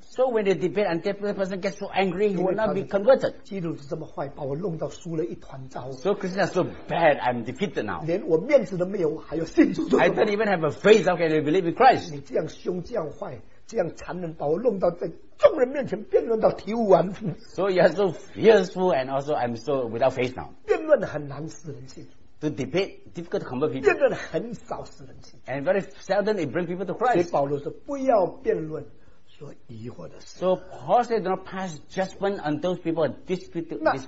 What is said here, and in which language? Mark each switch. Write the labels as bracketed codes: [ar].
[en] So when they debate and that person gets so angry he will not be converted [zh] 基督是这么坏把我弄到输了一团糟 [en] So Christians are so bad I'm defeated now [zh] 连我面子都没有 还有信主做什么 [en] I don't even have a faith how can you believe in Christ [zh] 你这样凶这样坏 这样残忍把我弄到在众人面前辩论到体无完肤 [en] So you are so fearful and also I'm so without faith now [zh] 辩论很难使人信主 [en] To debate, difficult to convert people [zh] 辩论很少使人信主 [en] And very seldom it brings people to Christ [zh] 所以保罗说不要辩论 所疑惑的事 [en] So Paul said do not pass judgment on those people disputable matters